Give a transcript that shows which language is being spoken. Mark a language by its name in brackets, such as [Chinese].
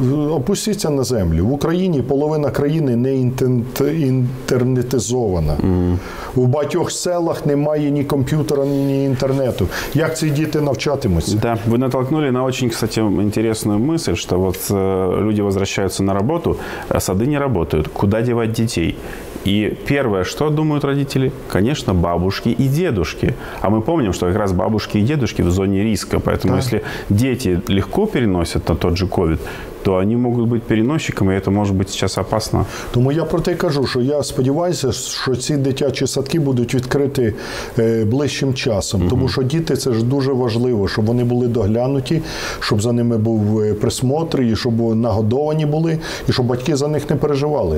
[Ukrainian] Опустіться на землю. В Україні половина країни не інтернетизована. У багатьох селах немає ні комп'ютера, ні інтернету. Як ці діти навчатимуться? Да. Ви натолкнули на дуже, кстати, інтересну мисль, що от люди повертаються на роботу, а сади не працюють. Куди дівати дітей? [Russian] И первое, что думают родители? Конечно, бабушки и дедушки. А мы помним, что как раз бабушки и дедушки в зоне риска. Поэтому да. Если дети легко переносят на тот же COVID, [Ukrainian] то вони можуть бути переносчиками, і це може бути зараз опасно. Тому я про те кажу, що я сподіваюся, що ці дитячі садки будуть відкриті ближчим часом. Тому що діти – це ж дуже важливо, щоб вони були доглянуті, щоб за ними був присмотр, і щоб нагодовані були, і щоб батьки за них не переживали.